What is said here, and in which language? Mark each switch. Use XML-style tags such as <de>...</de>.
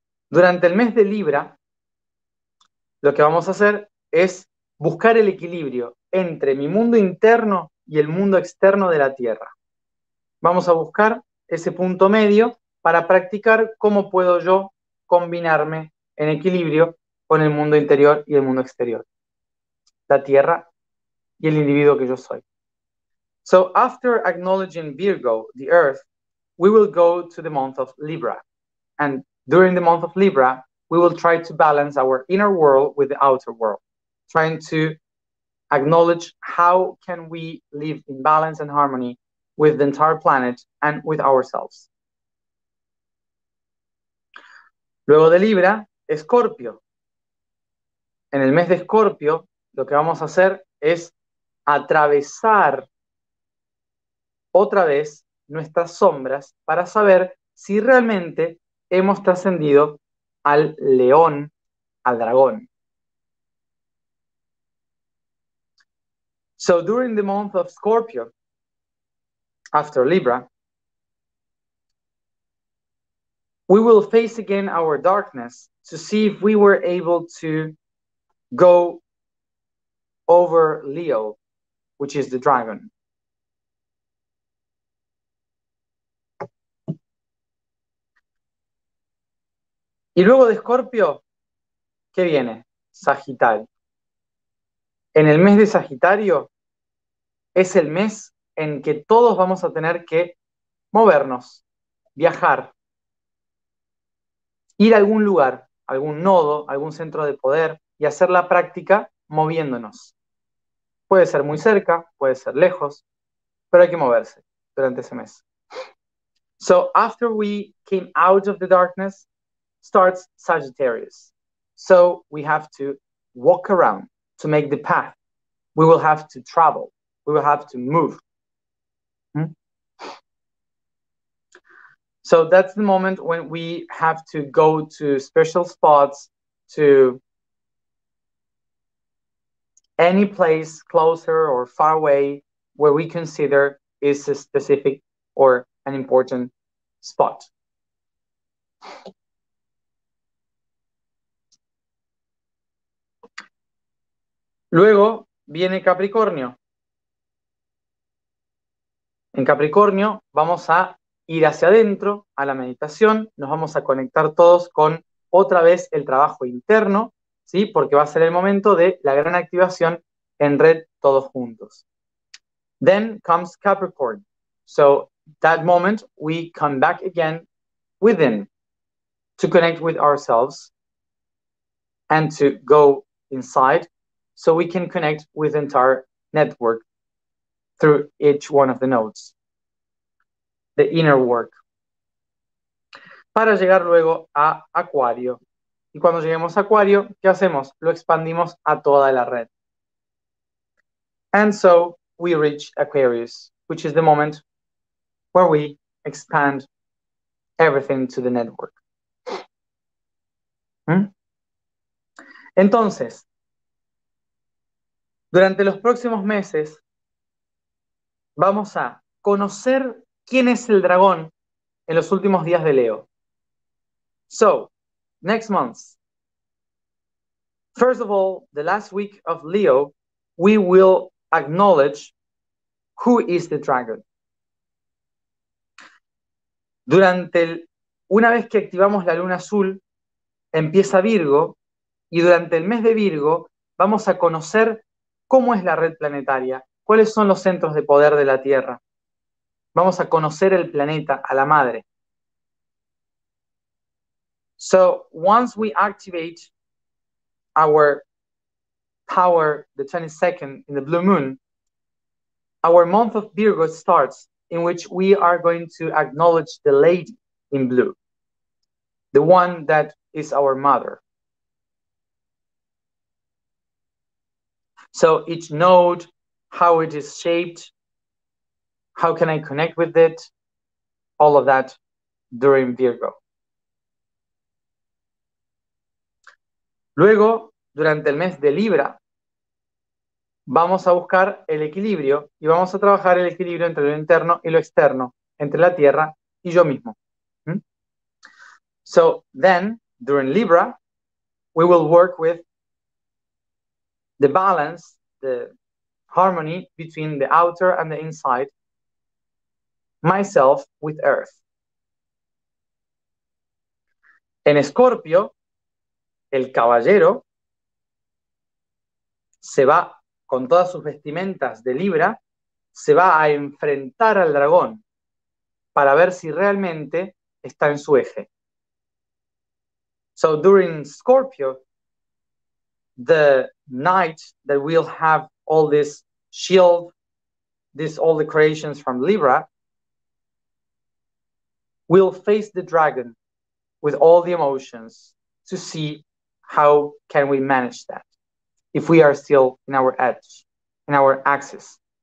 <es>Durante el mes de Libra, lo que vamos a hacer es buscar el equilibrio entre mi mundo interno y el mundo externo de la Tierra. Vamos a buscar ese punto medio para practicar cómo puedo yo combinarme en equilibrio con el mundo interior y el mundo exterior. La Tierra y el individuo que yo soy.</es> <en>So, after acknowledging Virgo, the Earth, we will go to the month of Libra. And during the month of Libra, we will try to balance our inner world with the outer world, trying to acknowledge how can we live in balance and harmony with the entire planet and with ourselves.</en> <es>Luego de Libra, Escorpio. En el mes de Escorpio, lo que vamos a hacer es atravesar otra vez nuestras sombras para saber si realmente hemos trascendido al león, al dragón.</es> <en>So during the month of Scorpio, after Libra, we will face again our darkness to see if we were able to go over Leo, which is the dragon.</en> <es>Y luego de Escorpio, ¿qué viene? Sagitario. En el mes de Sagitario es el mes en que todos vamos a tener que movernos, viajar, ir a algún lugar, algún nodo, algún centro de poder y hacer la práctica moviéndonos. Puede ser muy cerca, puede ser lejos, pero hay que moverse durante ese mes.</es> <en>So, after we came out of the darkness, starts Sagittarius. So we have to walk around to make the path. We will have to travel. We will have to move. So that's the moment when we have to go to special spots, to any place closer or far away where we consider is a specific or an important spot.</en> <es>Luego viene Capricornio. En Capricornio vamos a ir hacia adentro, a la meditación, nos vamos a conectar todos con otra vez el trabajo interno, ¿sí? Porque va a ser el momento de la gran activación en red todos juntos.</es> <en>Then comes Capricorn. So that moment we come back again within to connect with ourselves and to go inside so we can connect with the entire network through each one of the nodes, the inner work,</en> <es>para llegar luego a Acuario. Y cuando lleguemos a Acuario, ¿qué hacemos? Lo expandimos a toda la red.</es> <en>And so we reach Aquarius, which is the moment where we expand everything to the network.</en> <es>Entonces, durante los próximos meses, vamos a conocer quién es el dragón en los últimos días de Leo.</es> <en>So, next month, first of all, the last week of Leo, we will acknowledge who is the dragon.</en> <es>Una vez que activamos la luna azul, empieza Virgo, y durante el mes de Virgo vamos a conocer cómo es la red planetaria, cuáles son los centros de poder de la Tierra. Vamos a conocer el planeta, a la madre.</es> <en>So, once we activate our power, the 22nd in the blue moon, our month of Virgo starts, in which we are going to acknowledge the lady in blue, the one that is our mother. So each node, how it is shaped, how can I connect with it, all of that during Virgo.</en> <es>Luego, durante el mes de Libra, vamos a buscar el equilibrio y vamos a trabajar el equilibrio entre lo interno y lo externo, entre la Tierra y yo mismo.</es> <en>So then, during Libra, we will work with the balance, the harmony between the outer and the inside, myself with Earth.</en> <es>En Escorpio, el caballero se va con todas sus vestimentas de Libra, se va a enfrentar al dragón para ver si realmente está en su eje.</es> <en>So during Scorpio, the knight that will have all this shield, this all the creations from Libra, will face the dragon with all the emotions to see how can we manage that if we are still in our edge, in our axis.</en>